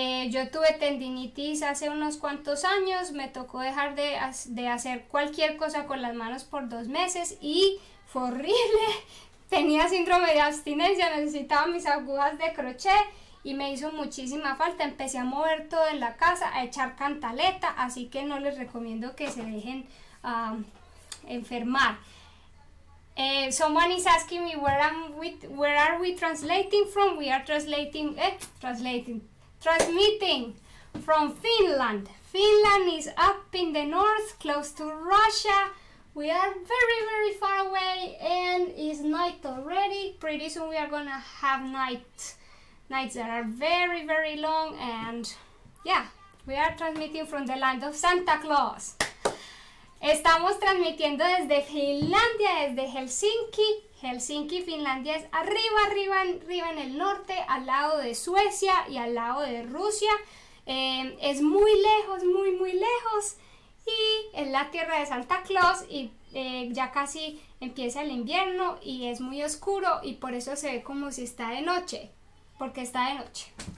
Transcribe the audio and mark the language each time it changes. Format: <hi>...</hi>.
<es>Yo tuve tendinitis hace unos cuantos años, me tocó dejar de hacer cualquier cosa con las manos por 2 meses y fue horrible. Tenía síndrome de abstinencia, necesitaba mis agujas de crochet y me hizo muchísima falta. Empecé a mover todo en la casa, a echar cantaleta, así que no les recomiendo que se dejen enfermar.</es> <en>Someone is asking me where are we translating from? We are transmitting from Finland. Finland is up in the north, close to Russia. We are very, very far away and it's night already. Pretty soon we are gonna have nights that are very, very long and yeah, we are transmitting from the land of Santa Claus.</en> <es>Estamos transmitiendo desde Finlandia, desde Helsinki. Helsinki, Finlandia es arriba, arriba, arriba en el norte, al lado de Suecia y al lado de Rusia. Es muy lejos, muy, muy lejos. Y es la tierra de Santa Claus y ya casi empieza el invierno y es muy oscuro y por eso se ve como si está de noche, porque está de noche.</es>